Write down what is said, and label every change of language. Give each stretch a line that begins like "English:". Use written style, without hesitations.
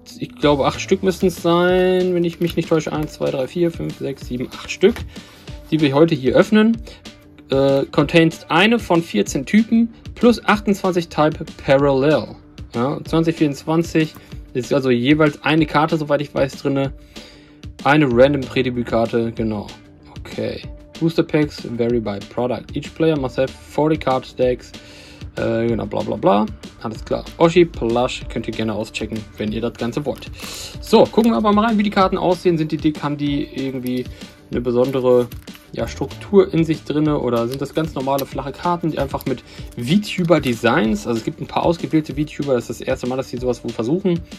German: Ich glaube, 8 Stück müssten es sein, wenn ich mich nicht täusche. 1, 2, 3, 4, 5, 6, 7, 8 Stück, die wir heute hier öffnen. Contains eine von 14 Typen plus 28 Type Parallel. Ja, 2024 ist also jeweils eine Karte, soweit ich weiß, drin. Eine Random Prädebütkarte, genau. Okay.
English: Booster Packs vary by product. Each player must have 40 Card Stacks.
German: Genau, bla bla bla. Alles klar. Oshiplush könnt ihr gerne auschecken, wenn ihr das Ganze wollt. So, gucken wir aber mal rein, wie die Karten aussehen. Sind die dick? Haben die irgendwie eine besondere, ja, Struktur in sich drinne, oder sind das ganz normale flache Karten, die einfach mit VTuber-Designs, also es gibt ein paar ausgewählte VTuber, das ist das erste Mal, dass sie sowas wohl versuchen.